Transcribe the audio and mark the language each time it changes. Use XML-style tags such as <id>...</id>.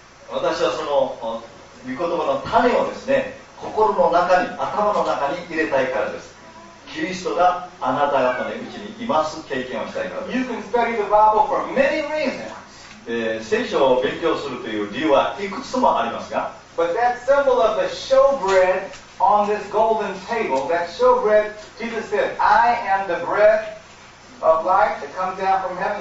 <ja>私はその御言葉の種をですね、心の中に、頭の中に入れたいからです。キリストがあなた方のうちにいます経験をしたいからです。</ja> <en>You can study the Bible for many reasons.</en> <ja>聖書を勉強するという理由はいくつもありますが、</ja> <en>But that symbol of the showbread on this golden table, that showbread, Jesus said, I am the bread of life that comes down from heaven.</en>